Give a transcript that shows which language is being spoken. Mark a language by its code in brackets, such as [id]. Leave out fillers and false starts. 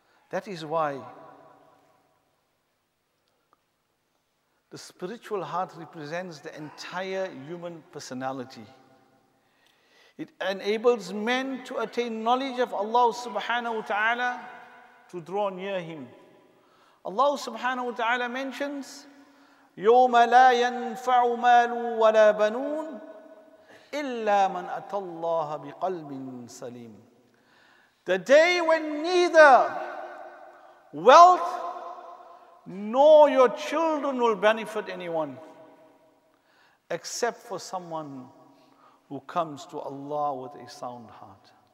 [en] That is why the spiritual heart represents the entire human personality. It enables men to attain knowledge of Allah subhanahu wa ta'ala, to draw near Him. [ar] Allah subhanahu wa ta'ala mentions, يَوْمَ لَا يَنْفَعُ مَالٌ وَلَا بَنُونَ إِلَّا مَنْ أَتَى اللَّهَ بِقَلْبٍ سَلِيمٍ. [en] The day when neither wealth nor your children will benefit anyone except for someone who comes to Allah with a sound heart.